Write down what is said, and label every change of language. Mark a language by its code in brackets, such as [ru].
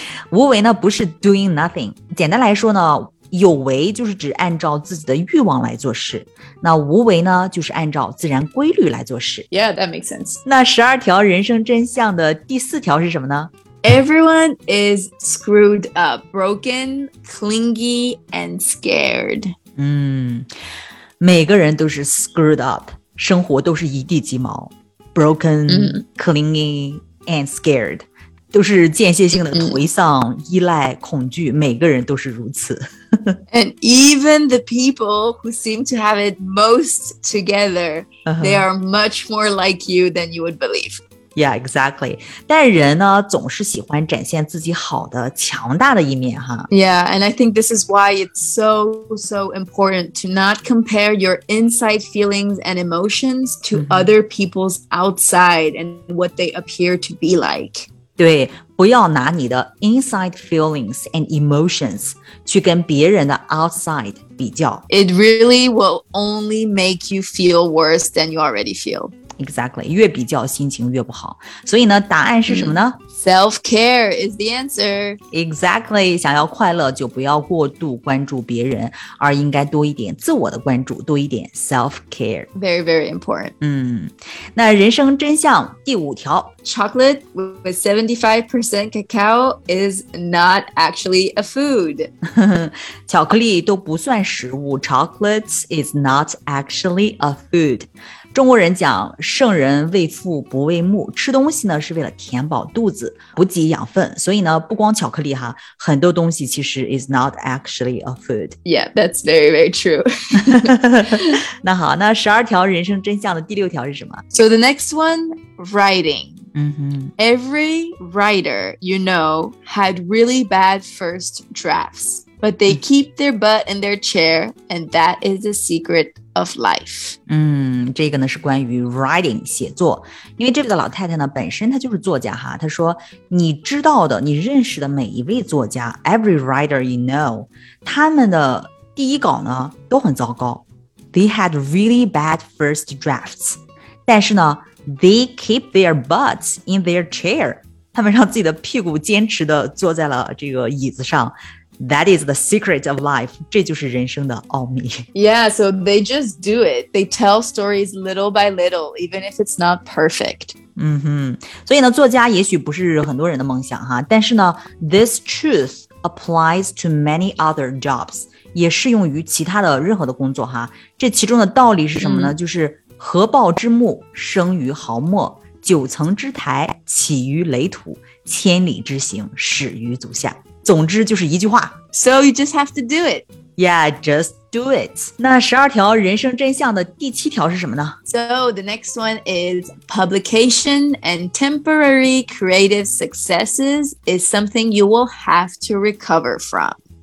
[zh] 无为呢不是 [en] doing nothing. [zh] 简单来说呢有为就是指按照自己的欲望来做事。那无为呢就是按照自然规律来做事。 [en] Yeah, that makes sense. [zh] 那十二条人生真相的第四条是什么呢? [en] Everyone is screwed up, broken, clingy, and scared. [zh] 每个人都是 [en] screwed up, [zh] 生活都是一地鸡毛 broken,、 [en] clingy, and scared, [zh] 都是间歇性的颓丧、依赖、恐惧每个人都是如此。 [en] And even the people who seem to have it most together,、they are much more like you than you would believe. Yeah, exactly. [zh] 但人呢总是喜欢展现自己好的强大的一面哈。 [en] Yeah, and I think this is why it's so, so important to not compare your inside feelings and emotions to、mm-hmm. other people's outside and what they appear to be like. [zh] 对不要拿你的 [en] inside feelings and emotions [zh] 去跟别人的 outside 比较。 [en] It really will only make you feel worse than you already feel. [zh] Exactly, 越比较心情越不好。所以呢，答案是什么呢？ [en] Self-care is the answer. [zh] Exactly, 想要快乐就不要过度关注别人，而应该多一点自我的关注，多一点 self-care. [en] Very, very important. [zh] 那人生真相第五条。 [en] Chocolate with 75% cacao is not actually a food. [zh] 巧克力都不算食物。 [en] Chocolate is not actually a food. [zh] 中国人讲圣人为父不为母吃东西呢是为了填饱肚子补给养分所以呢不光巧克力哈很多东西其实 [en] is not actually a food. Yeah, that's very, very true. [zh] 那好那十二条人生真相的第六条是什么 [en] So the next one, writing.、Every writer you know had really bad first drafts, but they keep their butt in their chair and that is the secret of life. [zh] 这个呢是关于 writing 写作因为这个老太太呢本身她就是作家哈她说你知道的你认识的每一位作家 [en] every writer you know [zh] 他们的第一稿呢都很糟糕 [en] they had really bad first drafts [zh] 但是呢 [en] they keep their butts in their chair [zh] 他们让自己的屁股坚持的坐在了这个椅子上 [en] That is the secret of life. [zh] 这就是人生的奥秘。 [en] Yeah, so they just do it. They tell stories little by little, even if it's not perfect. [zh] 所以呢，作家也许不是很多人的梦想哈，但是呢 [en] this truth applies to many other jobs. [zh] 也适用于其他的任何的工作哈。这其中的道理是什么呢？就是合抱之木，生于毫末。九层之台，起于垒土。千里之行，始于足下。总之就是一句话 [en] So you just have to do it [zh] Yeah, [en] just do it [zh] 那十二条人生真相的第七条是什么呢 [en] So the next one is Publication and temporary creative successes Is something you will have to recover from